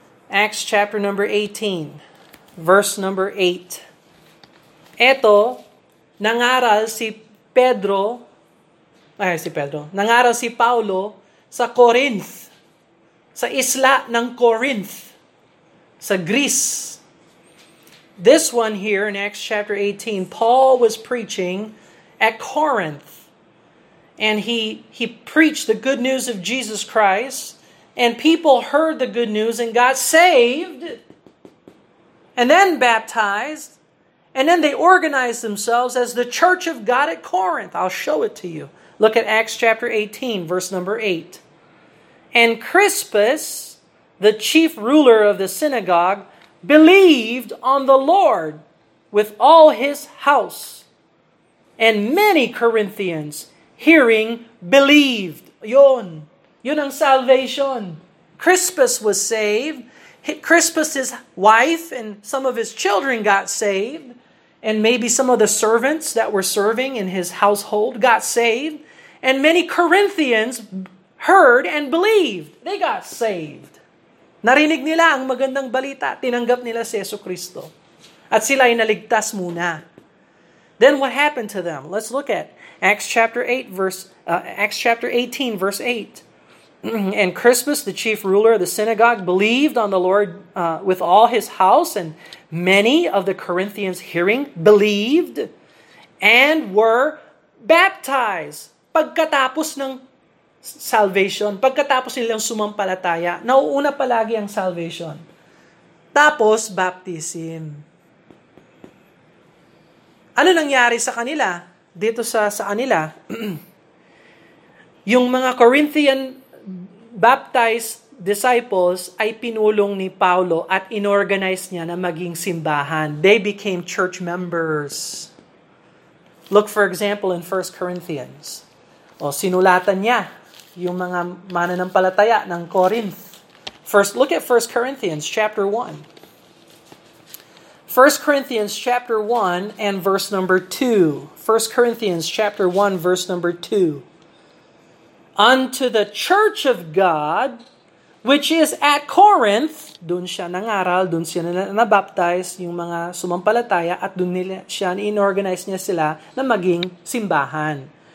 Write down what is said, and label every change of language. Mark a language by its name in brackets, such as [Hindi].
[English] Acts chapter number 18, verse number 8. [Filipino] Ito, nangaral si Pedro, ay si Pedro, nangaral si Paulo sa Corinth, sa isla ng Corinth, sa Greece. [English] This one here in Acts chapter 18, Paul was preaching at Corinth. And he preached the good news of Jesus Christ. And people heard the good news and got saved and then baptized. And then they organized themselves as the church of God at Corinth. I'll show it to you. Look at Acts chapter 18, verse number 8. And Crispus, the chief ruler of the synagogue, believed on the Lord with all his house. And many Corinthians, hearing, believed. Yon. [Filipino] Yun ang [English] salvation. Crispus was saved. Crispus's wife and some of his children got saved. And maybe some of the servants that were serving in his household got saved. And many Corinthians heard and believed. They got saved. [Filipino] Narinig nila ang magandang balita. Tinanggap nila si Yesu Cristo. At sila ay naligtas muna. [English] Then what happened to them? Let's look at Acts chapter 18, verse 8. And Crispus, the chief ruler of the synagogue, believed on the Lord with all his house, and many of the Corinthians hearing believed and were baptized. [Filipino] Pagkatapos ng salvation, pagkatapos nilang sumampalataya, nauuna palagi ang salvation. Tapos baptism. Ano nangyari sa kanila? Dito sa kanila, yung mga Corinthian baptized disciples ay pinulong ni Paulo at inorganize niya na maging simbahan. [English] They became church members. Look for example in 1 Corinthians. [Filipino] O sinulatan niya yung mga mananampalataya ng Corinth. [English] First, look at 1 Corinthians chapter 1. 1 Corinthians chapter 1 and verse number 2. 1 Corinthians chapter 1 verse number 2. Unto the church of God, which is at Corinth, [Filipino] dun siya nangaral, dun siya nabaptize yung mga sumampalataya, at dun nila, siya inorganize niya sila na maging simbahan.